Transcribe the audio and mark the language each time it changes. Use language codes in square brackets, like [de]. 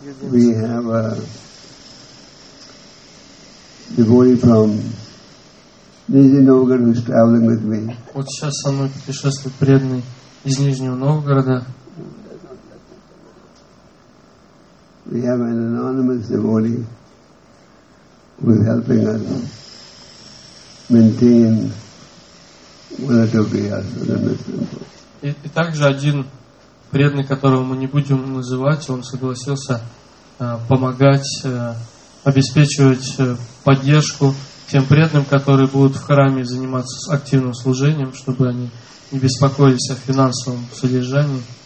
[en] We have devotee from Nizhny Novgorod who is traveling with me. [ru] Вот сейчас со мной путешествует преданный из Нижнего Новгорода. [en] We have an anonymous devotee who is helping us maintain one of the [ru] И также один преданный, которого мы не будем называть, он согласился помогать обеспечивать поддержку тем преданным, которые будут в храме заниматься активным служением, чтобы они не беспокоились о финансовом содержании.